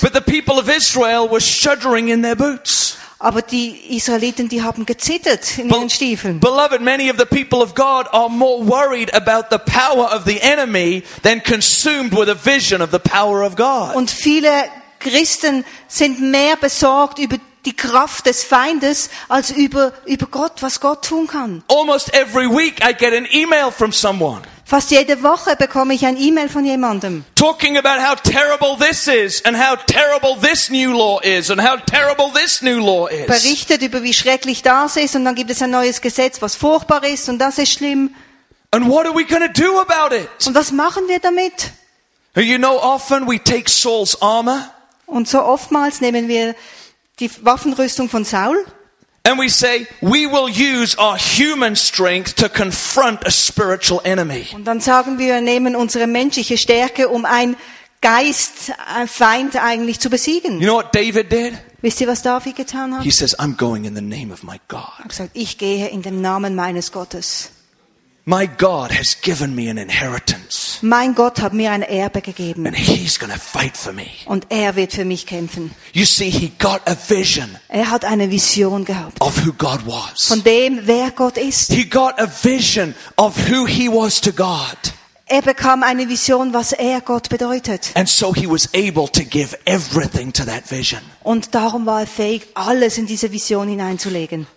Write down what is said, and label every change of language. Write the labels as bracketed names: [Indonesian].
[English] But the people of Israel were shuddering in their boots. [German] Aber die Israeliten, die haben gezittert in ihren Stiefeln. [English] Beloved, many of the people of God are more worried about the power of the enemy than consumed with a vision of the power of God. [German] Und viele Christen sind mehr besorgt über die Kraft des Feindes als über Gott, was Gott tun kann. [English] Almost every week I get an email from someone. [German] Fast jede Woche bekomme ich ein E-Mail von jemandem. [English] Talking about how terrible this is and how terrible this new law is and how terrible this new law is. [German] Berichtet über wie schrecklich das ist und dann gibt es ein neues Gesetz, was furchtbar ist und das ist schlimm. [English] And what are we going to do about it? [German] Und was machen wir damit? [English] You know, often we take Saul's armor. [German] Und so oftmals nehmen wir die Waffenrüstung von Saul. [English] And we say we will use our human strength to confront a spiritual enemy. [German] Und dann sagen wir, wir nehmen unsere menschliche Stärke, um einen Geist, einen Feind eigentlich zu besiegen. [English] You know what David did? [German] Wisst ihr, was David getan hat? [English] He says, I'm going in the name of my God. [German] Er sagt, ich gehe in dem Namen meines Gottes. [English] My God has given me an inheritance. [German] Mein Gott hat mir ein Erbe gegeben. [English] And he's going to fight for me. [German] Und er wird für mich kämpfen. [English] You see, he got a vision. [German] Er hat eine Vision gehabt. [English] Of who God was. [German] Von dem, wer Gott ist. [English] He got a vision of who he was to God. [German] Er bekam eine Vision, was er Gott bedeutet. [English] And so he was able to give everything to that vision. [German] Und darum war er fähig, alles in diese Vision hineinzulegen.